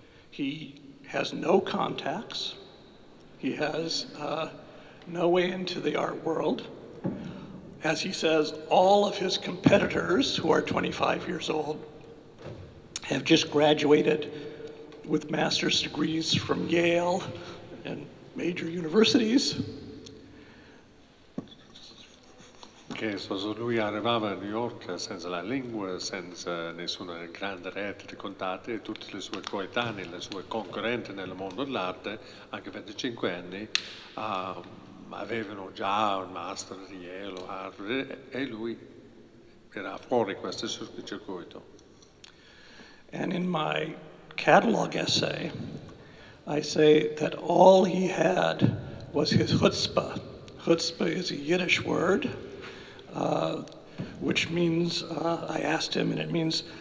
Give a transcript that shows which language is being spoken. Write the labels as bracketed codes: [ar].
[en] He has no contacts. He has no way into the art world. As he says, all of his competitors, who are 25 years old, have just graduated with master's degrees from Yale and major universities. [it] Lui arrivava a New York senza la lingua, senza nessuna grande rete di contatti, e tutte le sue coetanee, le sue concorrenti nel mondo dell'arte, anche 25 anni, avevano già un master di Yale o Harvard, e lui era fuori questo circuito. [en] And in my catalog essay, I say that all he had was his chutzpah. Chutzpah is a Yiddish word, which means, I asked him, and it means